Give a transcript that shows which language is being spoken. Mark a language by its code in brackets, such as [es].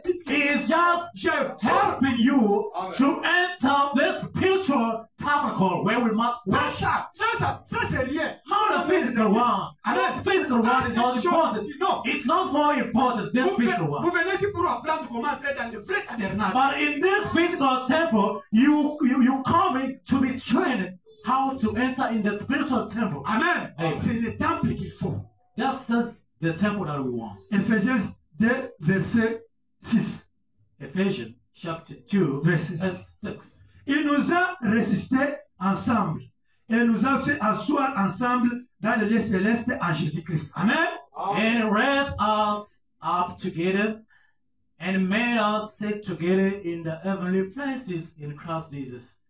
[en] Is just helping you to enter this spiritual tabernacle where we must worship. [fr] Ça, c'est rien. [en] Not a physical one. This physical one is not important. No. It's not more important than this physical one. [fr] Vous venez ici pour apprendre comment entrer dans le vrai tabernacle. [en] But in this physical temple, you coming to be trained how to enter in the spiritual temple. [fr] Amen. C'est le temple qu'il faut. [en] That's just the temple that we want. Ephesians 2, verset 6. Ephesians chapter 2, verset 6. [fr] Il nous a résisté ensemble et nous a fait asseoir ensemble dans les lieux célestes en Jésus-Christ. Amen. [en] And raised us up together and made us sit together in the heavenly places in Christ Jesus.